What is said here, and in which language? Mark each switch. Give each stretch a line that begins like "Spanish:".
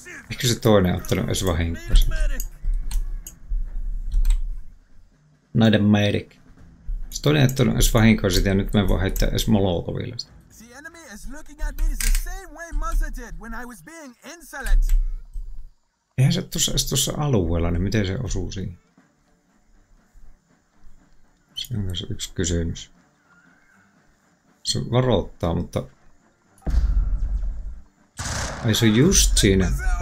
Finnish: Ehkä se toinen on ottanut edes vahinkoa. Näiden medic. Se toinen on ottanut edes vahinkoa sitä ja nyt me voi heittää edes molotovilla sitä.
English: The enemy is looking at me the same way Muzza did when I was being insolent.
Finnish: Eihän se tuossa edes tuossa alueella, niin miten se osuu siihen? Se on myös yksi kysymys. Se varoittaa, mutta... Ai se on just siinä.